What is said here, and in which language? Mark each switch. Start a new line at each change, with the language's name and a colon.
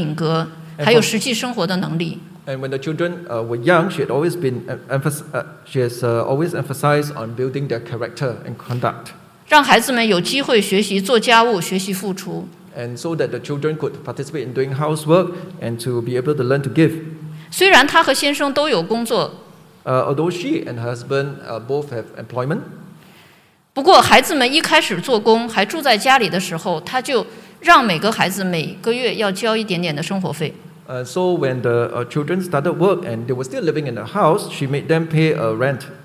Chinese: 从小她就很注重培养孩子的品格，还有实际生活的能力。
English: And when the children were young, she had always been always emphasized on building their character and conduct.
Chinese: 让孩子们有机会学习做家务，学习付出。
English: And so that the children could participate in doing housework and to be able to learn to give.
Chinese: 虽然她和先生都有工作。
English: Although she and her husband both have employment.
Chinese: 不过孩子们一开始做工，还住在家里的时候，她就让每个孩子每个月要交一点点的生活费。
English: So when the children started work and they were still living in the house, she made them pay a rent.